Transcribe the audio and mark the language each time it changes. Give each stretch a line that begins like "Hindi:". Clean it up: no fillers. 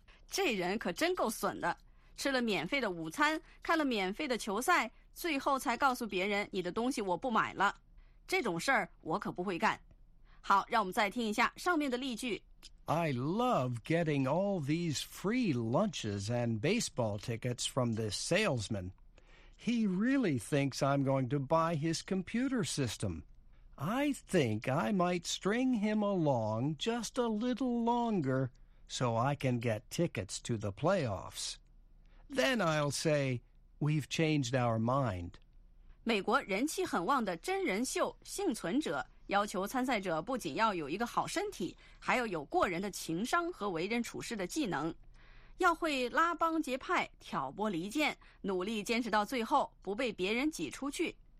Chinese: 这人可真够损的，吃了免费的午餐，看了免费的球赛，最后才告诉别人你的东西我不买了。这种事儿我可不会干。好，让我们再听一下上面的例句。
English: I love getting all these free lunches and baseball tickets from this salesman. He really thinks I'm going to buy his computer system. I think I might string him along just a little longer so I can get tickets to the playoffs. Then I'll say, we've changed our mind.
Chinese: 美国人气很旺的真人秀《幸存者》要求参赛者不仅要有一个好身体，还要有过人的情商和为人处事的技能，要会拉帮结派、挑拨离间，努力坚持到最后，不被别人挤出去。